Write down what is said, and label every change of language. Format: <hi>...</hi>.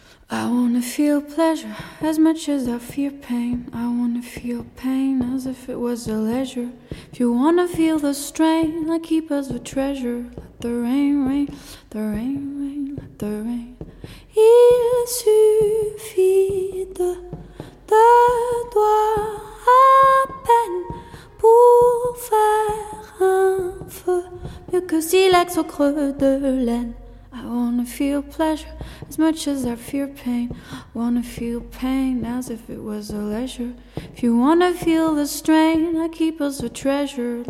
<en>I wanna feel pleasure as much as I fear pain. I wanna feel pain as if it was a leisure. If you wanna feel the strain, I keep as a treasure. Let the rain rain, let the rain rain, let the rain.</en> <fr>Il suffit de toi à peine pour faire un feu mieux que silex au creux de laine.</fr> <en>I wanna feel pleasure as much as I fear pain. I wanna feel pain as if it was a leisure. If you wanna feel the strain, I keep us a treasure.</en>